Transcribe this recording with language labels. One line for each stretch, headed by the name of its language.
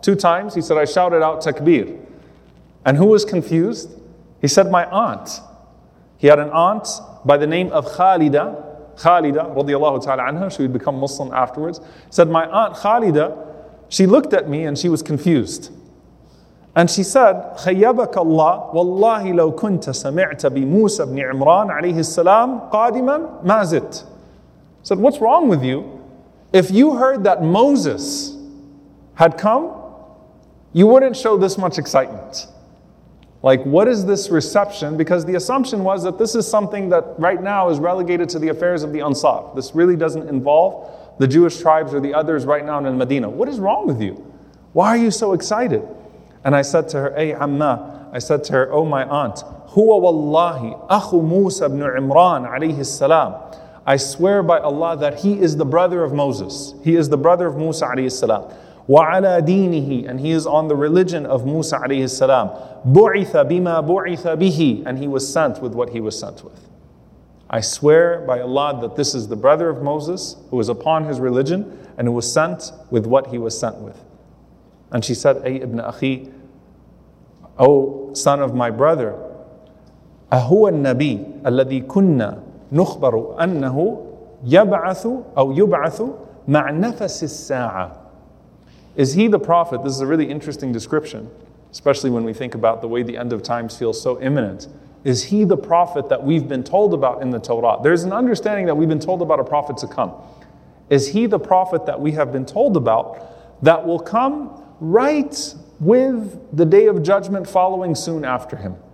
English: Two times, he said, I shouted out Takbir. And who was confused? He said, my aunt. He had an aunt by the name of Khalida. Khalida, radiallahu ta'ala anha, she would become Muslim afterwards, said, my aunt Khalida, she looked at me and she was confused.
Arabic: And she said, خَيَّبَكَ اللَّهُ وَاللَّهِ لَوْ كُنْتَ سَمِعْتَ بِمُوسَى بْنِ عِمْرَانَ عَلَيْهِ السَّلَامِ قَادِمًا مَا زِدْ.
English: Said, what's wrong with you? If you heard that Moses had come, you wouldn't show this much excitement. Like, what is this reception? Because the assumption was that this is something that right now is relegated to the affairs of the Ansar. This really doesn't involve the Jewish tribes or the others right now in Medina. What is wrong with you? Why are you so excited? And I said to her,
Arabic: Ey Amma,
English: I said to her, oh my aunt,
Arabic: Huwa wallahi akhu Musa ibn Imran alayhi salam.
English: I swear by Allah that he is the brother of Moses. He is the brother of Musa alayhi salam.
Arabic: وَعَلَى دِينِهِ
English: And he is on the religion of Musa alayhi salam.
Arabic: بُعِثَ بِمَا بُعِثَ بِهِ
English: And he was sent with what he was sent with. I swear by Allah that this is the brother of Moses who is upon his religion and who was sent with what he was sent with. And she said,
Arabic: أي ابن أخي,
English: O son of my brother,
Arabic: أَهُوَ النَّبِيُّ الَّذِي كُنَّا نُخْبَرُ أَنَّهُ يَبْعَثُ أَوْ يُبْعَثُ مَعْ نَفَسِ السَّاعَةِ
English: Is he the prophet? This is a really interesting description, especially when we think about the way the end of times feels so imminent. Is he the prophet that we've been told about in the Torah? There's an understanding that we've been told about a prophet to come. Is he the prophet that we have been told about that will come right with the day of judgment following soon after him?